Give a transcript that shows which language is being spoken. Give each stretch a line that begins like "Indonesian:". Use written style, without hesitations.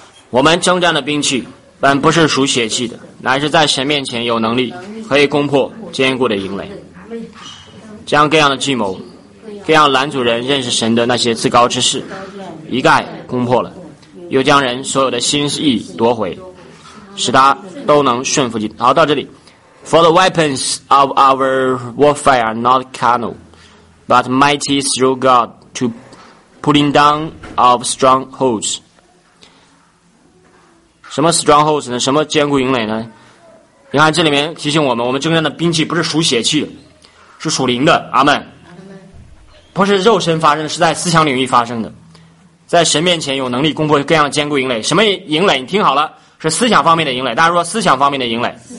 Chinese: 我们征战的兵器本不是属血气的，乃是在神面前有能力，可以攻破坚固的营垒，将各样的计谋、各样拦阻人认识神的那些自高之事一概攻破了，又将人所有的心意夺回，使他都能顺服。好，到这里。
English: For the weapons of our warfare are not carnal, but mighty through God to pulling down of strongholds。
Chinese: 什么 strongholds 呢？什么坚固营垒呢？你看这里面提醒我们，我们征战的兵器不是属血气，是属灵的。阿们，不是肉身发生的，是在思想领域发生的，在神面前有能力攻破各样坚固营垒。什么营垒？你听好了，是思想方面的营垒。大家说思想方面的营垒。